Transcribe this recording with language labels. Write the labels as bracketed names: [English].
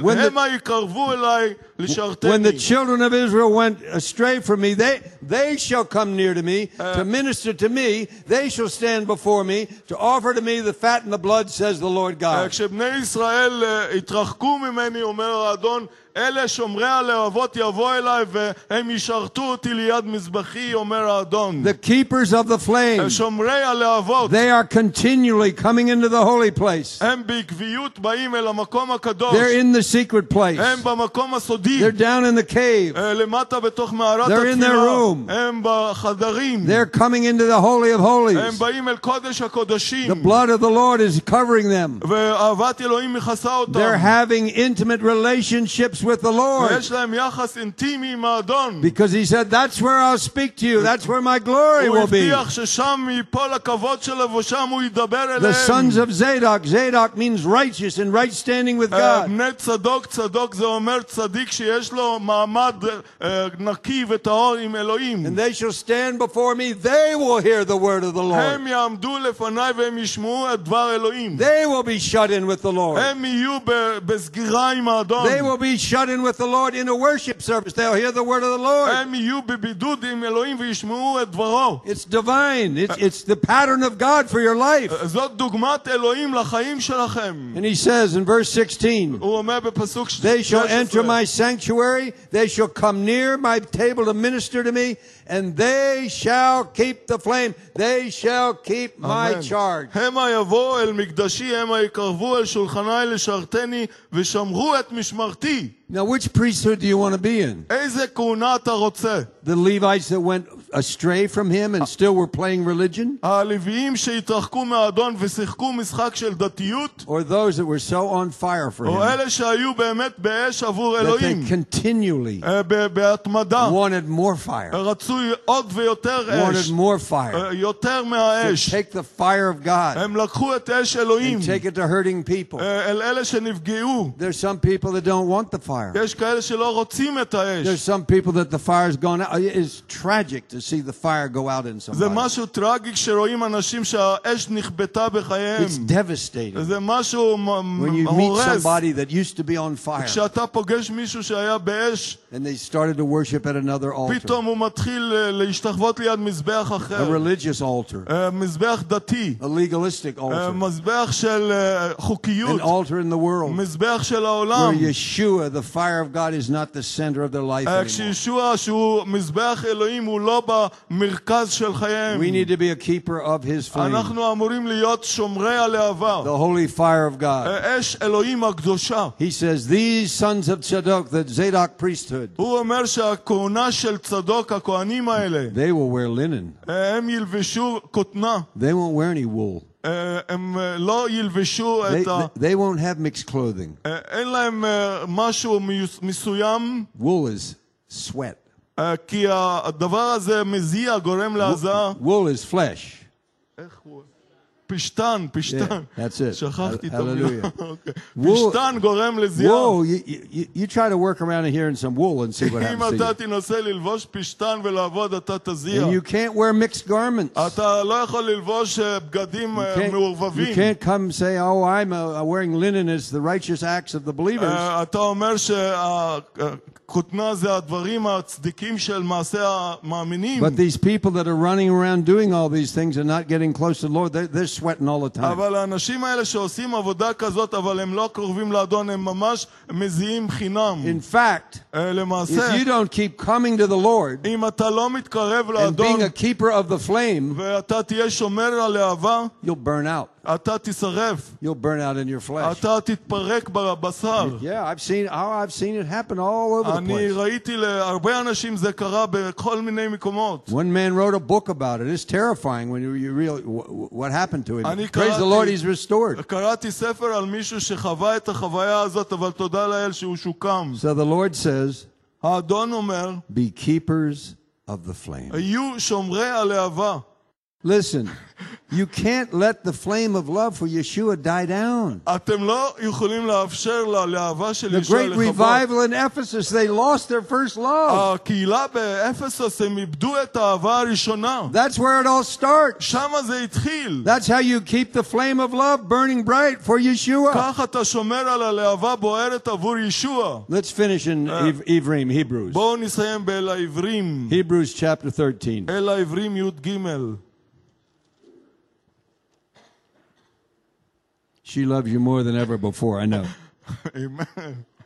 [English] When the children of Israel went astray from me, they shall come near to me, to minister to me, they shall stand before me, to offer to me the fat and the blood, says the Lord God. [Hebrew] אלה שומרי הלהבות יבוא אליי והם ישרתו אותי ליד מזבחי אומר האדון. [English] The keepers of the flame. [Hebrew] שומרי הלהבות. [English] They are continually coming into the holy place. [Hebrew] הם בקביעות באים אל המקום הקדוש. [English] They're in the secret place. [Hebrew] הם במקום הסודי. [English] They're down in the cave. [Hebrew] למטה בתוך מערת התפילה. [English] They're in their room. [Hebrew] הם בחדרים. [English] They're coming into the holy of holies. [Hebrew] הם באים אל קודש הקודשים. [English] The blood of the Lord is covering them. [Hebrew] ואהבת אלוהים מכסה אותם. [English] They're having intimate relationships with the Lord. [Hebrew] יש להם יחס אינטימי עם האדון. [English] Because he said, "That's where I'll speak to you. That's where my glory will be." [Hebrew] הוא הבטיח ששם ייפול הכבוד שלו ושם הוא ידבר אליהם. [English] The sons of Zadok. Zadok means righteous and right standing with God. [Hebrew] בני צדוק, צדוק זה אומר צדיק שיש לו מעמד נקי וטהור עם אלוהים. [English] And they shall stand before me. They will hear the word of the Lord. [Hebrew] הם יעמדו לפניי והם ישמעו את דבר אלוהים. [English] They will be shut in with the Lord. [Hebrew] הם יהיו בסגירה עם האדון. [English] They will be shut in with the Lord in a worship service. They'll hear the word of the Lord. [Hebrew] הם יהיו בבידוד עם אלוהים וישמעו את דברו. [English] It's divine. It's the pattern of God for your life. [Hebrew] זאת דוגמת אלוהים לחיים שלכם. [English] And he says in verse 16. [Hebrew] הוא אומר בפסוק 16. [English] They shall enter my sanctuary. They shall come near my table to minister to me. And they shall keep the flame. They shall keep my charge. [Hebrew] הם יבואו אל מקדשי, הם יקרבו אל שולחני לשרתני ושמרו את משמרתי. [English] Now which priesthood do you want to be in? [Hebrew] איזה כהונה אתה רוצה? [English] The Levites that went astray from him and still were playing religion? [Hebrew] הלוויים שהתרחקו מהאדון ושיחקו משחק של דתיות? [English] Or those that were so on fire for him? [Hebrew] או אלה שהיו באמת באש עבור אלוהים? [English] That they continually [Hebrew] בהתמדה [English] wanted more fire. [Hebrew] רצו עוד ויותר אש. [English] Wanted more fire. [Hebrew] יותר מהאש. [English] To take the fire of God. [Hebrew] הם לקחו את אש אלוהים. [English] And take it to hurting people. [Hebrew] אל אלה שנפגעו. [English] There's some people that don't want the fire. [Hebrew] יש כאלה שלא רוצים את האש. [English] There's some people that the fire has gone out. It is tragic to see the fire go out in somebody. [Hebrew] זה משהו טרגי כשרואים אנשים שהאש נכבתה בחייהם. [English] It's devastating. [Hebrew] זה משהו [English] when you meet somebody that used to be on fire. [Hebrew] כשאתה פוגש מישהו שהיה באש. [English] And they started to worship at another altar. [Hebrew] פתאום הוא מתחיל להשתחוות ליד מזבח אחר. [English] A religious altar. [Hebrew] מזבח דתי. [English] A legalistic altar. [Hebrew] מזבח של חוקיות. [English] An altar in the world. [Hebrew] מזבח של העולם. [English] Where Yeshua, the fire of God, is not the center of their life anymore. [Hebrew] כשישועה שהוא מזבח אלוהים הוא לא במרכז של חייהם. [English] We need to be a keeper of his flame. [Hebrew] אנחנו אמורים להיות שומרי הלהבה. [English] The holy fire of God. [Hebrew] אש אלוהים הקדושה. [English] He says, these sons of Zadok, the Zadok priesthood, [Hebrew] הוא אומר שהכהונה של צדוק הכהנים האלה [English] they will wear linen [Hebrew] הם ילבשו כותנה [English] they won't wear any wool [Hebrew] הם לא ילבשו את [English] they won't have mixed clothing [Hebrew] אין להם משהו מסוים [English] wool is sweat [Hebrew] כי הדבר הזה מזיע גורם להזעה [English] wool is flesh [Hebrew] איך wool פשטן, פשטן. [English] Yeah, that's it. [Hebrew] שכחתי את המילה. Okay. פשטן גורם לזיעה. [English] Whoa, you try to work around here in some wool and see what happens. [Hebrew] אם אתה תנסה ללבוש פשטן ולעבוד, אתה תזיע. [English] And you can't wear mixed garments. [Hebrew] אתה לא יכול ללבוש בגדים מעורבבים. [English] You can't come and say, "Oh, I'm wearing linen. It's the righteous acts of the believers." [Hebrew] אתה אומר שהכותנה זה הדברים הצדיקים של מעשי המאמינים. [English] But these people that are running around doing all these things and not getting close to the Lord, they're sweating all the time. [Hebrew] אבל האנשים האלה שעושים עבודה כזאת אבל הם לא קרובים לאדון הם ממש מזיעים חינם. [English] In fact, [Hebrew] למעשה, [English] if you don't keep coming to the Lord, [Hebrew] אם אתה לא מתקרב לאדון, [English] and being a keeper of the flame, [Hebrew] ואתה תהיה שומר הלהבה, [English] you'll burn out. [Hebrew] אתה תשרף. [English] You'll burn out in your flesh. [Hebrew] אתה תתפרק בבשר. [English] Yeah, I've seen it happen all over the place. [Hebrew] אני ראיתי להרבה אנשים זה קרה בכל מיני מקומות. [English] One man wrote a book about it. It's terrifying when you really what happened to him. Praise the Lord, he's restored. [Hebrew] קראתי ספר על מישהו שחווה את החוויה הזאת, אבל תודה לאל שהוא שוקם. [English] So the Lord says, [Hebrew] האדון אומר, [English] be keepers of the flame. [Hebrew] היו שומרי הלהבה. [English] Listen, you can't let the flame of love for Yeshua die down. [Hebrew] אתם לא יכולים לאפשר ללהבה של ישוע לחבר. [English] The great revival in Ephesus, they lost their first love. [Hebrew] הקהילה באפסוס, הם איבדו את האהבה הראשונה. [English] That's where it all starts. [Hebrew] שם זה התחיל. [English] That's how you keep the flame of love burning bright for Yeshua. [Hebrew] כך אתה שומר על הלהבה בוערת עבור ישוע. [English] Let's finish in Ivrim, Hebrews. [Hebrew] בואו נסיים באל העברים. [English] Hebrews chapter 13. [Hebrew] אל העברים יוד גימל. [English] She loves you more than ever before, I know. Amen.